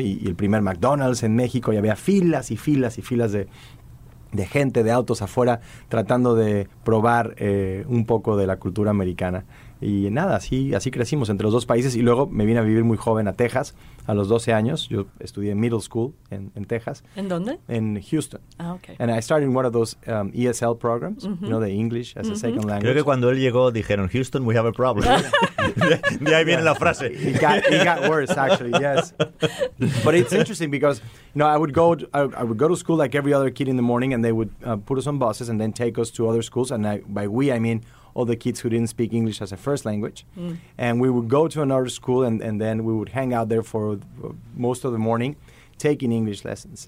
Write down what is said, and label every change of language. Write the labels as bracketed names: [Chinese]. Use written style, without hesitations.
[Spanish] Y el primer McDonald's en México, y había filas y filas y filas de gente, de autos afuera, tratando de probar un poco de la cultura americana. Y nada, así crecimos entre los dos países. Y luego me vine a vivir muy joven a Texas, a los 12 años. Yo estudié middle school en Texas. ¿En dónde? En Houston. Ah, okay. [English] And I started in one of those ESL programs, mm-hmm. you know, the English as mm-hmm. a second language. [Spanish] Creo que cuando él llegó dijeron, Houston, [English] we have a problem. [Spanish] De ahí viene la frase. [English] It got worse, actually, yes. But it's interesting because, you know, I would go to school like every other kid in the morning, and they would put us on buses and then take us to other schools. And I mean all the kids who didn't speak English as a first language. Mm. And we would go to another school, and then we would hang out there for most of the morning taking English lessons.